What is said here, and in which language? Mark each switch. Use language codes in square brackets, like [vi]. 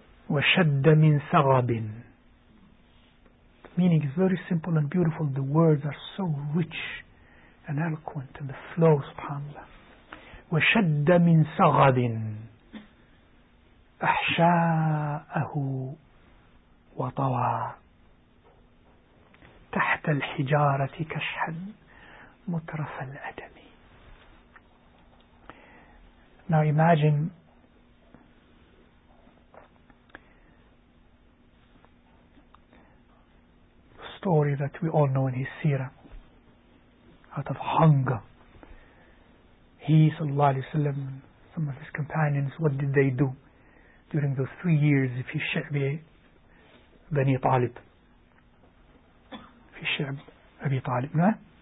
[ar] وَشَدَّ مِنْ سَغَبٍ. [en] Meaning is very simple and beautiful. The words are so rich and eloquent and the flow, subhanallah. [ar] وَشَدَّ مِنْ سَغَبٍ أَحْشَاءَهُ وطوى تحت الحجارة كشحا مترف الأدم. [en] Now imagine the story that we all know in his seerah. Out of hunger, he sallallahu alayhi wa sallam, some of his companions, what did they do during those 3 years of his shi'bi Bani Talib, Fishab Abi Talib, no?